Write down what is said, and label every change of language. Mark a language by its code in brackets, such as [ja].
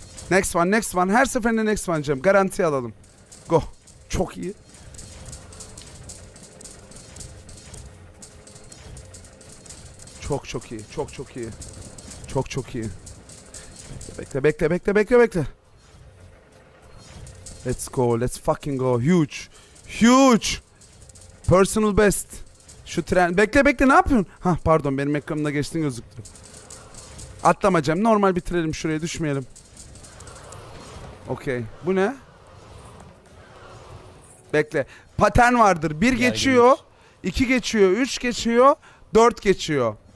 [en] Next one next one, [tr] her seferinde [en] next one Cem, [tr] garanti alalım. [en] Go. [tr] Çok iyi. Çok çok iyi, çok çok iyi. Çok çok iyi. Bekle bekle bekle bekle bekle. [en] Let's go, let's fucking go, huge. Huge. Personal best. [tr] Şu tren... Bekle bekle, ne yapıyorsun? Hah pardon, benim ekranımda geçtin gözüktü. Atlamayacağım. Normal bitirelim, şuraya düşmeyelim. Okey. Bu ne? Bekle. Pattern vardır. Bir geçiyor. İki geçiyor. Üç geçiyor. Dört geçiyor.